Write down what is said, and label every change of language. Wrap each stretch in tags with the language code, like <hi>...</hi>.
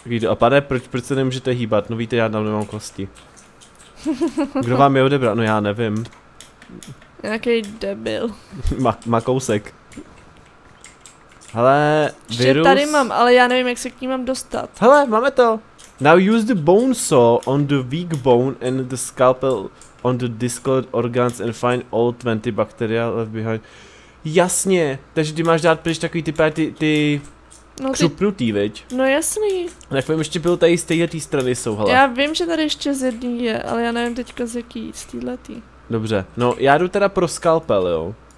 <cs>A pane, proč se nemůžete hýbat? No víte, já tam nemám kosti. Kdo vám je odebral? No já nevím. Nějaký debil. Makousek. Hele, ještě virus... tady mám, ale já nevím, jak se k ní mám dostat. Hele, máme to.</cs> <en>Now use the bone saw on the weak bone and the scalpel on the discolored organs and find all 20 bacteria left behind.</en> <cs>Jasně, takže ty máš dát pryč takový typ ty no, křupnutý, viď? No jasný. Tak vím, ještě byl tady z téhle tý strany jsou, hele. Já vím, že tady ještě z jedný je, ale já nevím teďka z jaký, z téhle tý. Dobře, no já jdu teda pro scalpel, jo.</cs>